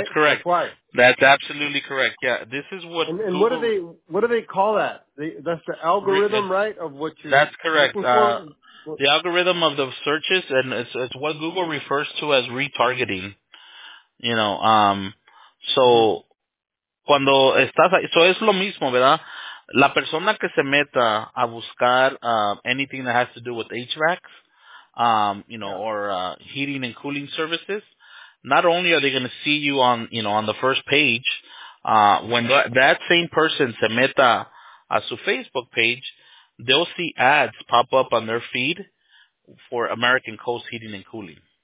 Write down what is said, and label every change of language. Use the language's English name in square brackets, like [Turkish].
[English] That's correct. That's why. That's absolutely correct, yeah. This is what... And what do they call that? That's the algorithm, right, of what you're... That's correct. The algorithm of the searches, and it's what Google refers to as retargeting. You know, so... [Spanish] Cuando estás ahí, eso es lo mismo, ¿verdad? La persona que se meta a buscar [English] anything that has to do with HVACs, you know, or heating and cooling services, not only are they going to see you on, you know, on the first page, when that same person [Spanish] se meta a su [English] Facebook page, they'll see ads pop up on their feed for American Coast Heating and Cooling.